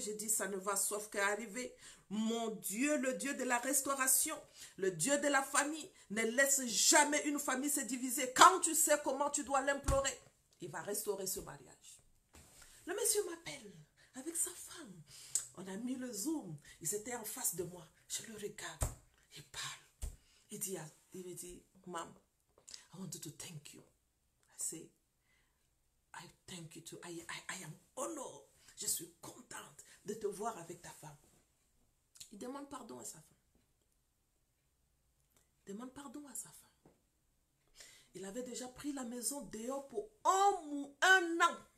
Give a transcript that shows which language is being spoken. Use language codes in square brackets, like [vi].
[fr] Je dis, ça ne va sauf qu'arriver. Mon Dieu, le Dieu de la restauration, le Dieu de la famille, ne laisse jamais une famille se diviser. Quand tu sais comment tu dois l'implorer, il va restaurer ce mariage. Le monsieur m'appelle avec sa femme. On a mis le zoom. Ils étaient en face de moi. Je le regarde. Il parle. Il me dit, [en] Mom, I want to thank you. Say, I thank you too. I am honored. [fr] Je suis contente de te voir avec ta femme. Il demande pardon à sa femme. Il demande pardon à sa femme. Il avait déjà pris la maison dehors pour un an.